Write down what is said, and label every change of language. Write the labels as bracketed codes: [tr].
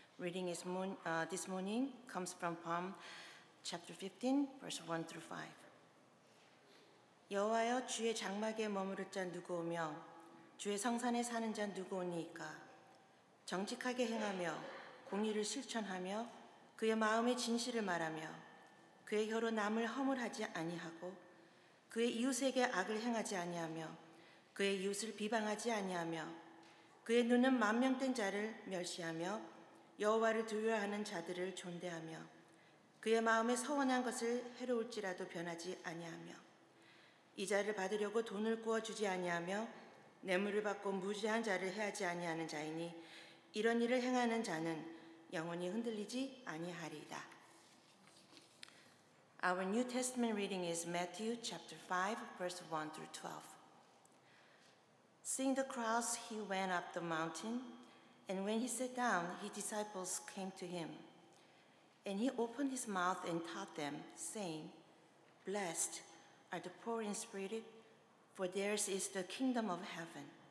[en] Reading is this morning comes from Psalm chapter 15, verse 1 through 5. [ko] 여호와여 주의 장막에 머무를 자 누구오며 주의 성산에 사는 자 누구오니까 정직하게 행하며 공의를 실천하며 그의 마음의 진실을 말하며 그의 혀로 남을 허물하지 아니하고 그의 이웃에게 악을 행하지 아니하며 그의 이웃을 비방하지 아니하며 그의 눈은 만명된 자를 멸시하며 여호와를 두려워하는 자들을 존대하며 그의 마음에 서운한 것을 해로울지라도 변하지 아니하며 이자를 받으려고 돈을 구워주지 아니하며 뇌물을 받고 무지한 자를 해하지 아니하는 자이니 이런 일을 행하는 자는 영원히 흔들리지 아니하리이다. [en] Our New Testament reading is Matthew chapter 5, verse 1 through 12. Seeing the crowds, he went up the mountain, and when he sat down, his disciples came to him. And he opened his mouth and taught them, saying, Blessed are the poor in spirit, for theirs is the kingdom of heaven.